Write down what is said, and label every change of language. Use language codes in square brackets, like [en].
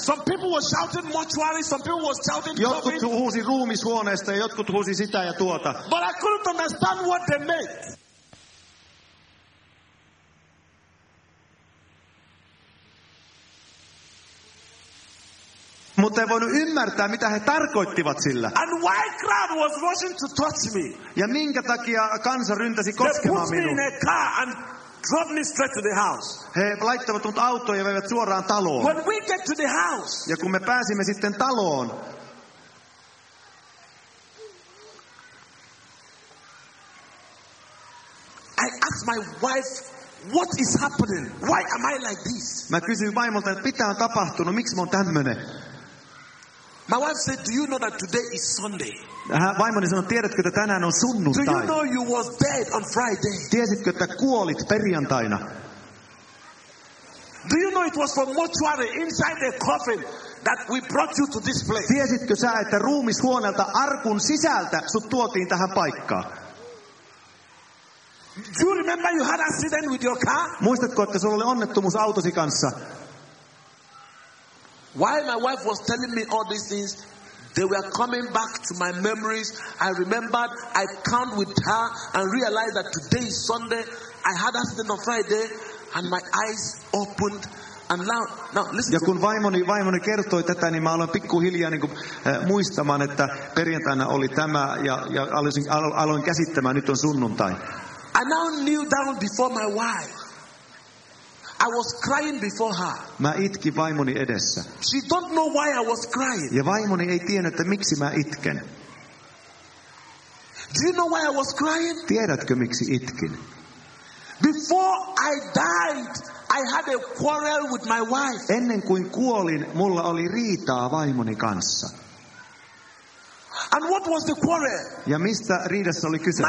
[en] Some people were shouting mortuary, some people were shouting COVID. [fi] Jotkut huusi ruumishuoneesta, ja jotkut huusi sitä ja tuota. [en] But I couldn't understand what they meant. [fi] Mutta ei voinut ymmärtää, mitä he tarkoittivat sillä. [en] And why crowd was rushing to touch me? [fi] Ja minkä takia kansa ryntäsi koskemaan minua? [en] They put me in a car and drove me straight to the house. [fi] He laittavat mut autoon ja veivät suoraan taloon. [en] When we get to the house. [fi] Ja kun me pääsimme sitten taloon. [en] I asked my wife, what is happening? Why am I like this? [fi] Mä kysyin vaimolta, että mitä on tapahtunut, miksi mä oon tämmönen? [en] My wife said, "Do you know that today is Sunday?" [fi] Vaimoni sanoi, tiedätkö, että tänään on sunnuntai? [en] Do you know you was dead on Friday? [fi] Tiesitkö, että kuolit perjantaina? [en] Do you know it was from mortuary inside the coffin that we brought you to this place? [fi] Tiesitkö sä, että ruumishuoneelta arkun sisältä sut tuotiin tähän paikkaan? [en] Do you remember you had an accident with your car? [fi] Muistatko, että sulla oli onnettomuus autosi kanssa? [en] While my wife was telling me all these things, they were coming back to my memories. I remembered, I count with her and realized that today is Sunday. I had accident on Friday and my eyes opened. And now listen. [fi] Ja kun vaimoni kertoi tätä, niin mä aloin pikkuhiljaa muistamaan, että perjantaina oli tämä ja aloin käsittämään, nyt on sunnuntai. [en] I now kneel down before my wife. I was crying before her. [fi] Mä itkin vaimoni edessä. [en] She don't know why I was crying. [fi] Ja vaimoni ei tiennyt, että miksi mä itken. [en] Do you know why I was crying? [fi] Tiedätkö, miksi itkin? [en] Before I died, I had a quarrel with my wife. [fi] Ennen kuin kuolin, mulla oli riitaa vaimoni kanssa. [en] And what was the quarrel? [fi] Ja mistä riidassa oli kyse?